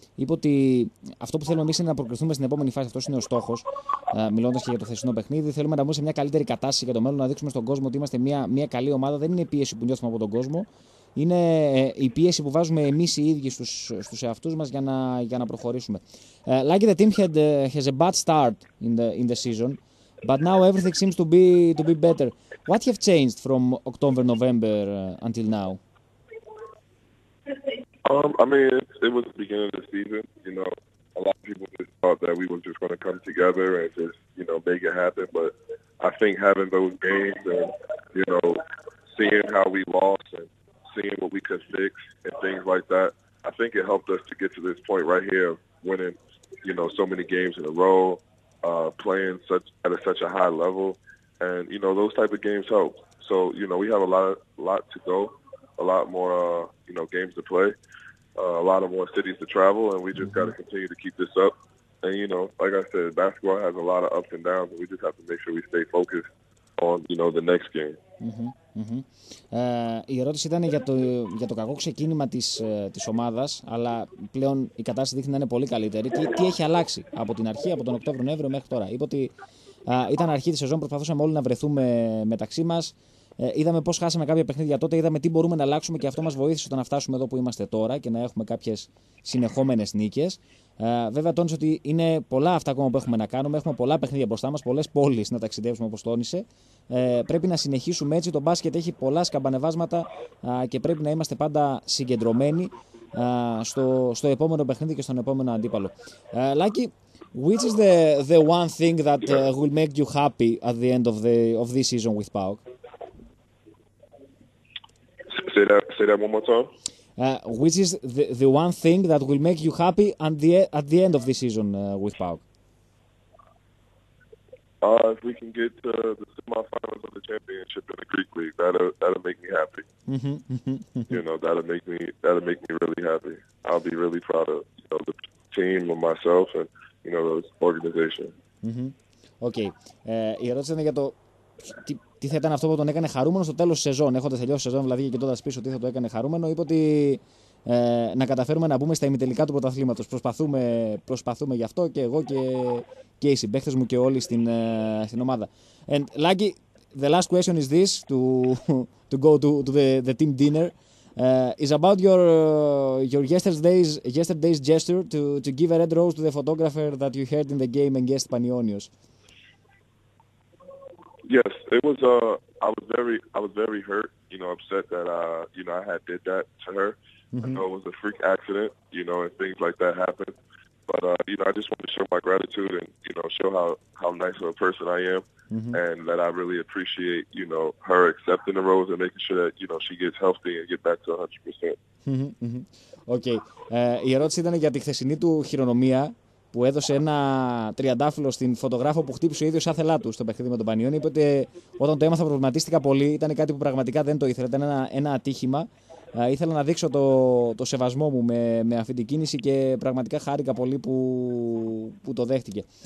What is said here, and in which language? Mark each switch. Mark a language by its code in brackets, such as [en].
[el] Είπε ότι αυτό που θέλουμε εμείς είναι να προκριθούμε στην επόμενη φάση. Αυτός είναι ο στόχος, μιλώντας και για το θεσινό παιχνίδι. Θέλουμε να μπούμε σε μια καλύτερη κατάσταση για το μέλλον, να δείξουμε στον κόσμο ότι είμαστε μια καλή ομάδα. Δεν είναι η πίεση που νιώθουμε από τον κόσμο. Είναι η πίεση που βάζουμε εμείς οι ίδιοι στους εαυτούς μας για να προχωρήσουμε. [en] Like the team has a bad start in the season. But now everything seems to be better. What have changed from October, November until now? I mean, it was the beginning of the season. You know, a lot of people just thought that we were just going to come together and just, you know, make it happen. But I think having those games and, you know, seeing how we lost and seeing what we could fix and things like that, I think it helped us to get to this point right here, winning, you know, so many games in a row. Playing at such a high level, and you know those type of games help. So you know we have a lot to go, a lot more you know games to play, a lot of more cities to travel, and we just got to continue to keep this up. And you know, like I said, basketball has a lot of ups and downs, and we just have to make sure we stay focused on, you know, the next game. [el] Η ερώτηση ήταν για το κακό ξεκίνημα της ομάδας, αλλά πλέον η κατάσταση δείχνει να είναι πολύ καλύτερη. Τι έχει αλλάξει από την αρχή, από τον Οκτώβριο-Νοέμβριο μέχρι τώρα? Είπε ότι ήταν αρχή της σεζόν, προσπαθούσαμε όλοι να βρεθούμε μεταξύ μας. Είδαμε πώς χάσαμε κάποια παιχνίδια τότε, είδαμε τι μπορούμε να αλλάξουμε και αυτό μας βοήθησε στο να φτάσουμε εδώ που είμαστε τώρα και να έχουμε κάποιες συνεχόμενες νίκες. Βέβαια, τόνισε ότι είναι πολλά αυτά ακόμα που έχουμε να κάνουμε. Έχουμε πολλά παιχνίδια μπροστά μας, πολλές πόλεις να ταξιδεύσουμε, όπως τόνισε. Πρέπει να συνεχίσουμε έτσι. Το μπάσκετ έχει πολλά σκαμπανεβάσματα και πρέπει να είμαστε πάντα συγκεντρωμένοι στο επόμενο παιχνίδι και στον επόμενο αντίπαλο. [en] Λάκι, which is the one thing that will make you happy at the end of this season with PAOK? Say that one more time. Which is the one thing that will make you happy at the end of this season with PAOK? If we can get to the semifinals of the championship in the Greek League, that'll make me happy. You know, that'll make me really happy. I'll be really proud of, you know, the team and myself and, you know, the organization. Okay. [el] Η ερώτηση είναι για το τι θα ήταν αυτό που τον έκανε χαρούμενο στο τέλος σεζόν, έχοντας τελειώσει σεζόν, δηλαδή, και κοιτώντας πίσω, τι θα το έκανε χαρούμενο. Είπε ότι να καταφέρουμε να μπούμε στα ημιτελικά του πρωταθλήματος. Προσπαθούμε γι' αυτό και εγώ και οι συμπαίχτες μου και όλοι στην ομάδα. [en] And Lucky, the last question is this, to go to the team dinner, is about your yesterday's gesture to give a red rose to the photographer that you heard in the game against Panionios. Yes, it was. I was very hurt, you know, upset that I had did that to her. Mm-hmm. I know it was a freak accident, you know, and things like that happen. But I just want to show my gratitude and, you know, show how nice of a person I am, and that I really appreciate, you know, her accepting the rose and making sure that, you know, she gets healthy and get back to 100%. Okay. [el] Η ερώτηση ήταν για τη χθεσινή του χειρονομία, που έδωσε ένα τριαντάφυλλο στην φωτογράφο που χτύπησε ο ίδιος άθελά του στο παιχνίδι με τον Πανιόνι. Είπε ότι όταν το έμαθα προβληματίστηκα πολύ, ήταν κάτι που πραγματικά δεν το ήθελα, ήταν ένα ατύχημα. Ήθελα να δείξω το σεβασμό μου με αυτή την κίνηση και πραγματικά χάρηκα πολύ που το δέχτηκε.